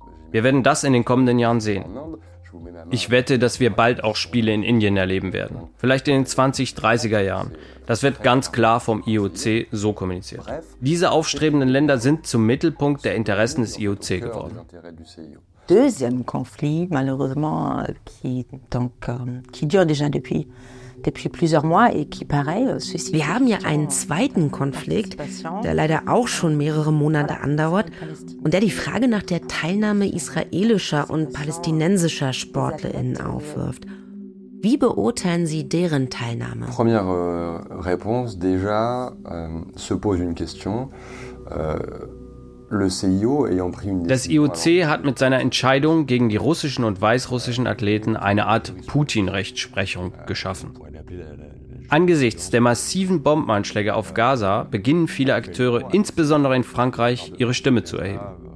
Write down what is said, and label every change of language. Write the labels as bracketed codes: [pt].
[de] Wir werden das in den kommenden Jahren sehen. Ich wette, dass wir bald auch Spiele in Indien erleben werden. Vielleicht in den 2030er Jahren. Das wird ganz klar vom IOC so kommuniziert. Diese aufstrebenden Länder sind zum Mittelpunkt der Interessen des IOC geworden. [fr] Deuxième conflit, malheureusement, qui dure déjà depuis plusieurs mois et qui pareil. [de] Wir haben ja einen zweiten Konflikt, der leider auch schon mehrere Monate andauert und der die Frage nach der Teilnahme israelischer und palästinensischer SportlerInnen aufwirft. Wie beurteilen Sie deren Teilnahme? [fr] Première réponse déjà se pose une question. [de] Das IOC hat mit seiner Entscheidung gegen die russischen und weißrussischen Athleten eine Art Putin-Rechtsprechung geschaffen. Angesichts der massiven Bombenanschläge auf Gaza beginnen viele Akteure, insbesondere in Frankreich, ihre Stimme zu erheben.